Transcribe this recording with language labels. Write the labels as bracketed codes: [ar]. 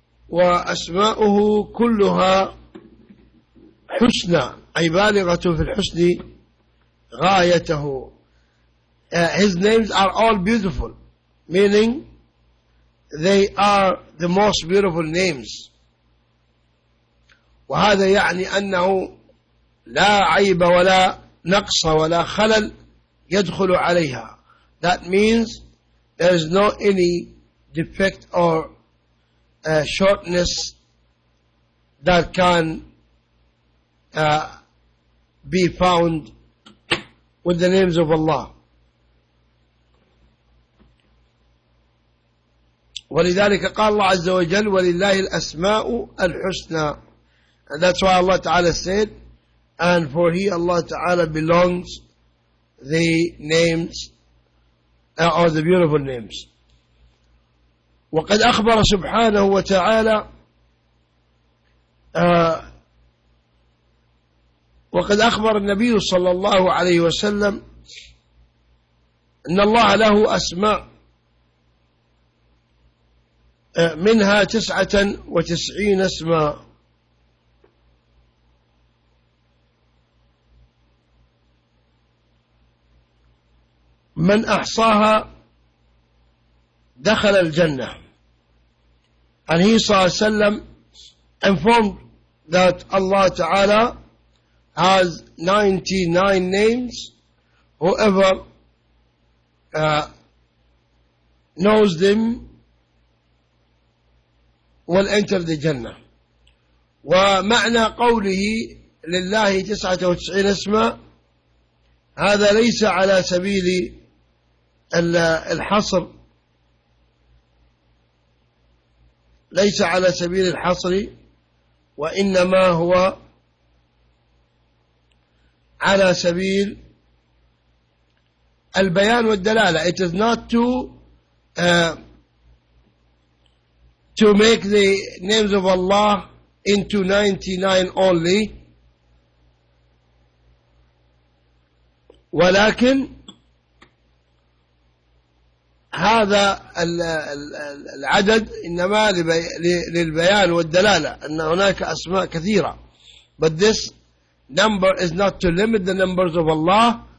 [ar] وأسماؤه كلها حسنى، أي بالغة في الحسن غايته. [en] His names are all beautiful, meaning they are the most beautiful names. [ar] وهذا يعني أنه لا عيب ولا نقص ولا خلل يدخل عليها. [en] That means there is no any defect or shortness that can be found with the names of Allah. [ar] ولذلك قال الله عز وجل ولله الأسماء الحسنى. [en] And that's why Allah Ta'ala said, and for He, Allah Ta'ala, belongs the names or the beautiful names. [ar] وقد أخبر سبحانه وتعالى وقد أخبر النبي صلى الله عليه وسلم أن الله له أسماء منها 99 اسما. من أحصاها دخل الجنة. [en] And he, صلى الله عليه وسلم, informed that Allah Ta'ala has 99 names. Whoever knows them will enter the Jannah. [ar] ومعنى قوله لله 99 اسما هذا ليس على سبيل الحصر، ليس على سبيل الحصر، وإنما هو على سبيل البيان والدلالة. [en] It is not to make the names of Allah into 99 only، [ar] ولكن هذا العدد إنما للبيان والدلالة أن هناك أسماء كثيرة. [en] But this number is not to limit the numbers of Allah.